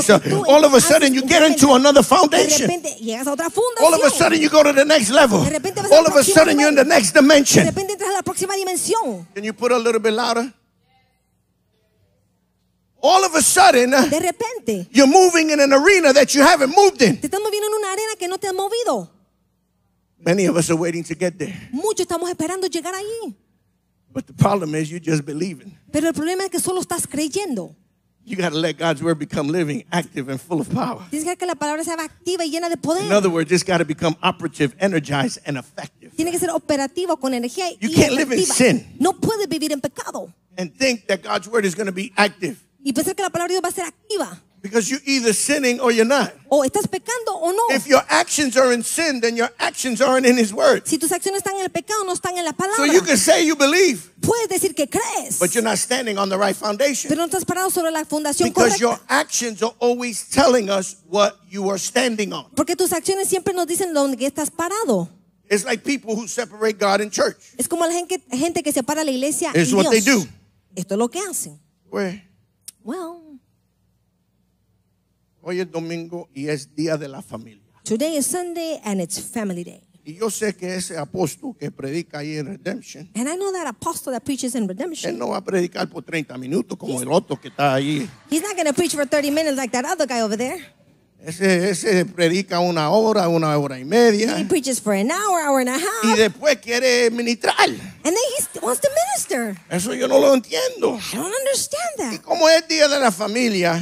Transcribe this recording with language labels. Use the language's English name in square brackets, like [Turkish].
[English] All of a sudden, you get into another foundation. [Spanish] De repente, llegas a otra fundación. [English] All of a sudden, you go to the next level. All of a sudden, you're in the next dimension. [Spanish] De repente entras a la próxima dimensión. [English] Can you put a little bit louder? All of a sudden, [Spanish] de repente, [English] you're moving in an arena that you haven't moved in. [Spanish] Te estás moviendo en una arena que no te has movido. [English] Many of us are waiting to get there. [Spanish] Muchos estamos esperando llegar allí. [English] But the problem is, you're just believing. [Spanish] Pero el problema es que solo estás creyendo. [English] You got to let God's word become living, active, and full of power. [Spanish] Tienes que hacer que la palabra sea activa y llena de poder. [English] In other words, it's got to become operative, energized, and effective. [Spanish] Tiene que ser operativo con energía y efectiva. [English] You can't live in sin. [Spanish] No puedes vivir en pecado. [English] And think that God's word is going to be active. [Spanish] Y pensar que la palabra de Dios va a ser activa. [English] Because you're either sinning or you're not. [Spanish] O estás pecando o no. [English] If your actions are in sin, then your actions aren't in his word. [Spanish] Si tus acciones están en el pecado, no están en la palabra. [English] So you can say you believe. [Spanish] Puedes decir que crees. [English] But you're not standing on the right foundation. [Spanish] Pero no estás parado sobre la fundación [English] because [Spanish] correcta. [English] Because your actions are always telling us what you are standing on. [Spanish] Porque tus acciones siempre nos dicen dónde estás parado. [English] It's like people who separate God and church. [Spanish] Es como la gente que separa la iglesia y [English] Dios. It's what they do. [Spanish] Esto es lo que hacen. [English] Where? Well. [Spanish] Hoy es domingo y es día de la familia. [English] Today is Sunday and it's family day. [Spanish] Y yo sé que ese apóstol que predica ahí en Redemption. [English] And I know that apostle that preaches in Redemption. [Spanish] Él no va a predicar por 30 minutos como el otro que está ahí. [English] He's not going to preach for 30 minutes like that other guy over there. [Spanish] Ese predica una hora y media. [English] He preaches for an hour, hour and a half. [Spanish] Y después quiere ministrar. [English] And then he wants to minister. [Spanish] Eso yo no lo entiendo. [English] I don't understand that. [Spanish] Y como es día de la familia.